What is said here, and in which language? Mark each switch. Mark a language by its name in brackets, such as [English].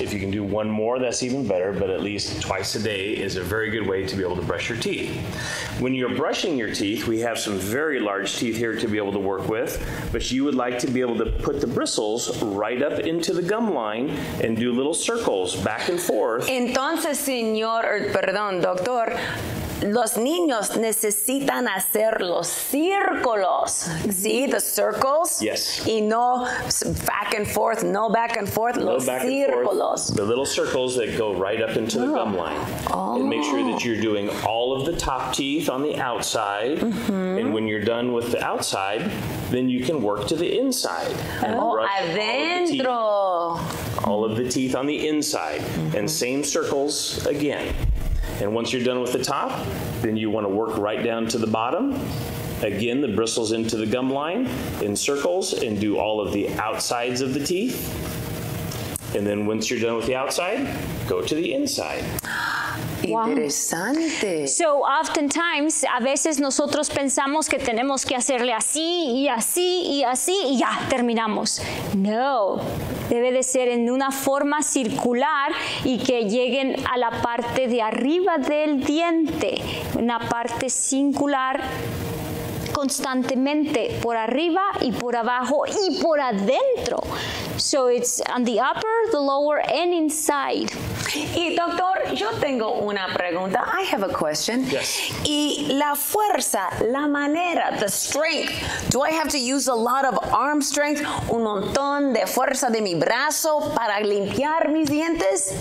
[English] If you can do one more, that's even better, but at least twice a day is a very good way to be able to brush your teeth. When you're brushing your teeth, we have some very large teeth here to be able to work with, but you would like to be able to put the bristles right up into the gum line and do little circles back and forth. [Spanish] Entonces, señor, perdón, doctor, los niños necesitan hacer los círculos. [English] See the circles? Yes. Y no back and forth, no back and forth, no [Spanish] los [English] back [Spanish] círculos. [English] And forth, the little circles that go right up into the gum line. Oh. And make sure that you're doing all of the top teeth on the outside. Mm-hmm. And when you're done with the outside, then you can work to the inside. And brush adentro. All of the teeth on the inside. Mm-hmm. And same circles again. And once you're done with the top, then you want to work right down to the bottom. Again, the bristles into the gum line in circles and do all of the outsides of the teeth. And then once you're done with the outside, go to the inside. [Spanish] Wow. Interesante. [English] So oftentimes, [Spanish] a veces nosotros pensamos que tenemos que hacerle así y así y así y ya, terminamos. No. Debe de ser en una forma circular y que lleguen a la parte de arriba del diente, una parte circular constantemente por arriba y por abajo y por adentro. [English] So it's on the upper, the lower, and inside. [Spanish] Y doctor, yo tengo una pregunta. [English] I have a question. Yes. [Spanish] Y la fuerza, la manera, [English] the strength. Do I have to use a lot of arm strength, [Spanish] un montón de fuerza de mi brazo [English] para limpiar mis dientes?